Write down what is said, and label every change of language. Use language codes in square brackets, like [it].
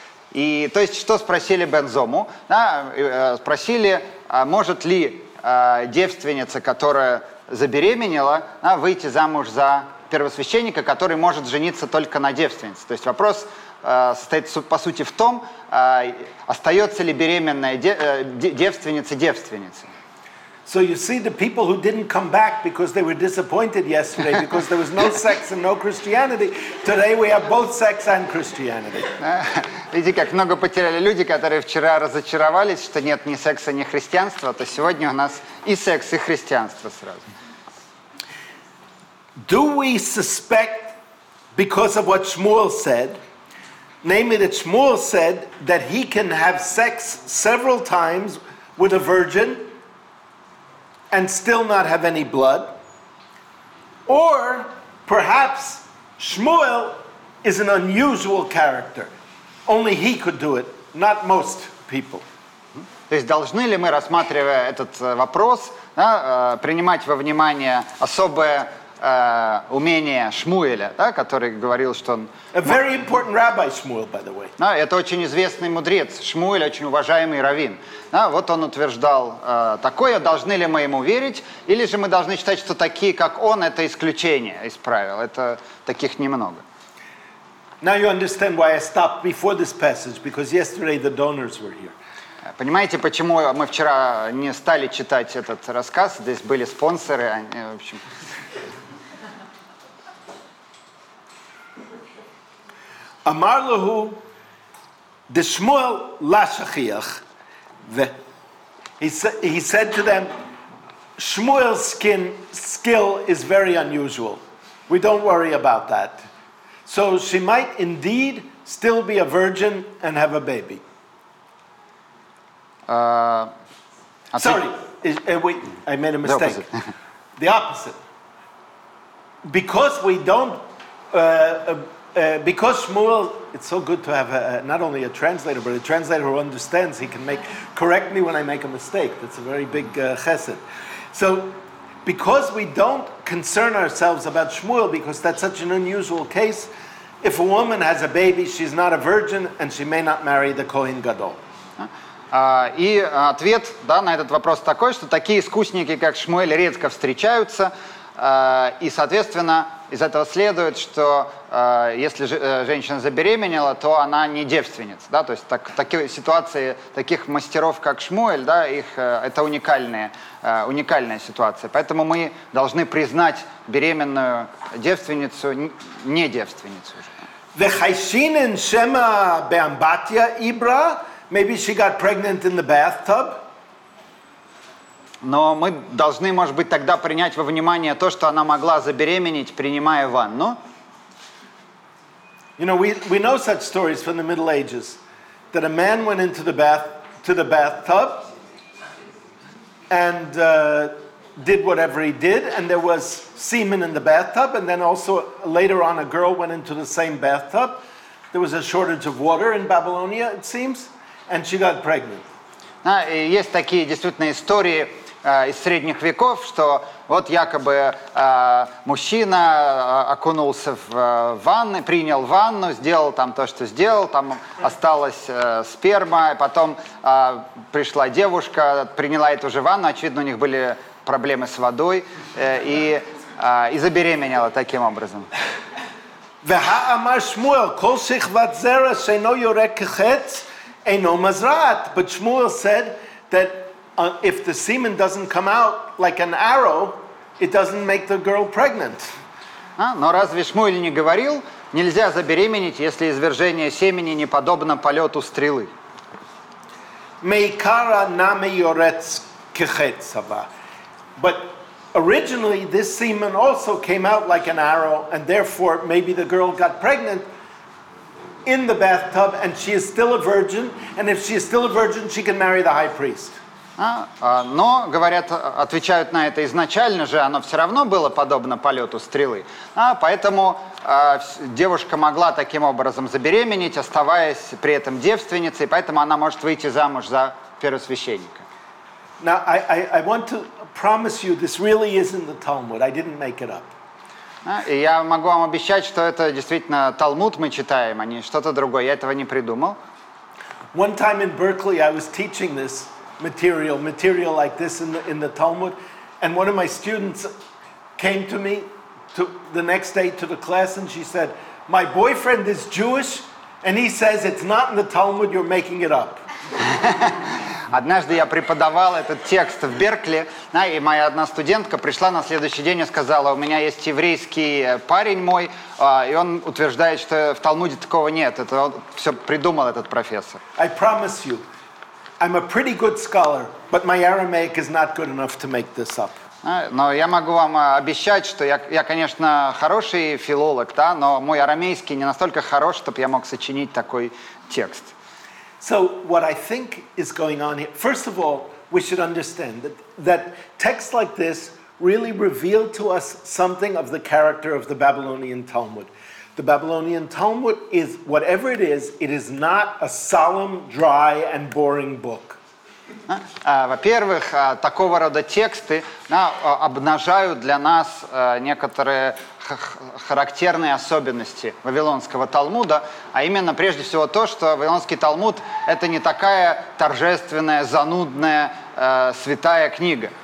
[ru] И то есть, что спросили Бензому? Да, спросили, может ли девственница, которая забеременела, да, выйти замуж за первосвященника, который может жениться только на девственнице. То есть вопрос состоит, по сути, в том, остается ли беременная девственница девственницей. [en] So you see the people who didn't come back because they were disappointed yesterday because there was no sex and no Christianity. Today we have both sex and Christianity. [ru] Видите, как много потеряли люди, которые вчера разочаровались, что нет ни секса, ни христианства, то сегодня у нас и секс, и христианство сразу. [en] Do we suspect because of what Shmuel said, namely that Shmuel said that he can have sex several times with a virgin and still not have any blood? Or perhaps Shmuel is an unusual character. Only he could do it, not most people. [ru] То есть должны ли мы, рассматривая этот вопрос, да, принимать во внимание особое умение Шмуэля, да, который говорил, что он... [en] A very important rabbi, Shmuel, by the way. [ru] Да, это очень известный мудрец, Шмуэль, очень уважаемый раввин. Да, вот он утверждал такое, должны ли мы ему верить, или же мы должны считать, что такие, как он, это исключение из правил. Это таких немного. [en] Now you understand why I stopped before this passage, because yesterday the donors were here. [ru] Понимаете, почему мы вчера не стали читать этот рассказ? Здесь были спонсоры, они, в общем... [arc] Amar lahu de Shmuel la shachiach. [en] He said to them, Shmuel's skill is very unusual. We don't worry about that. So she might indeed still be a virgin and have a baby. Sorry, wait, I made a mistake. the opposite. Because we don't, because Shmuel, it's so good to have not only a translator, but a translator who understands, he can make, correct me when I make a mistake. That's a very big chesed. So, because we don't concern ourselves about Shmuel, because that's such an unusual case, if a woman has a baby, she's not a virgin, and she may not marry the Kohen Gadol. [ru] И ответ, да, на этот вопрос такой, что такие искусники, как Шмуэль, редко встречаются, и, соответственно, из этого следует, что если женщина забеременела, то она не девственница, да, то есть так, такие ситуации, таких мастеров, как Шмуэль, да, их, это уникальная ситуация, поэтому мы должны признать беременную девственницу не девственницу. [arc] Вехайшинен шема беамбатья ибра. [en] Maybe she got pregnant in the bathtub. [ru] Но мы должны, может быть, тогда принять во внимание то, что она могла забеременеть, принимая ванну. [en] You know, we know such stories from the Middle Ages that a man went into the bath to the bathtub and did whatever he did, and there was semen in the bathtub, and then also later on a girl went into the same bathtub. There was a shortage of water in Babylonia, it seems. And she got pregnant. [ru] Да, есть такие действительно истории из средних веков, что вот якобы мужчина окунулся в ванну, принял ванну, сделал там то, что сделал, там осталась сперма, и потом пришла девушка, приняла эту же ванну, очевидно, у них были проблемы с водой, и забеременела таким образом. [arc] Ва-ха-амар Шмуэл, кол шихват зера шейно йорек хэц, Eino mazraat, [en] but Shmuel said that if the semen doesn't come out like an arrow, it doesn't make the girl pregnant. [ru] А, но разве Шмуэль не говорил, нельзя забеременеть, если извержение семени не подобно полету стрелы? [arc] Meikara nami yoretz kechetzava. [en] But originally this semen also came out like an arrow, and therefore maybe the girl got pregnant in the bathtub, and she is still a virgin, and if she is still a virgin, she can marry the high priest. [ru] Но, говорят, отвечают на это, изначально же оно все равно было подобно полету стрелы, поэтому девушка могла таким образом забеременеть, оставаясь при этом девственницей, поэтому она может выйти замуж за первосвященника. [en] Now, I want to promise you, this really is in the Talmud, I didn't make it up. [ru] И я могу вам обещать, что это действительно Талмуд мы читаем, а не что-то другое. Я этого не придумал. [en] One time in Berkeley I was teaching this material like this in the Talmud, and one of my students came to me to the next day to the class, and she said, "My boyfriend is Jewish, and he says it's not in the Talmud. You're making it up." [ru] Однажды я преподавал этот текст в Беркли, да, и моя одна студентка пришла на следующий день и сказала, у меня есть еврейский парень мой, и он утверждает, что в Талмуде такого нет. Это он все придумал, этот профессор. [en] I promise you, I'm a pretty good scholar, but my Aramaic is not good enough to make this up. [ru] Но я могу вам обещать, что я, конечно, хороший филолог, да, но мой арамейский не настолько хорош, чтобы я мог сочинить такой текст. [en] So what I think is going on here, first of all, we should understand that texts like this really reveal to us something of the character of the Babylonian Talmud. The Babylonian Talmud is, whatever it is not a solemn, dry, and boring book. [ru] Во-первых, такого рода тексты обнажают для нас некоторые характерные особенности Вавилонского Талмуда, а именно, прежде всего, то, что Вавилонский Талмуд — это не такая торжественная, занудная, святая книга.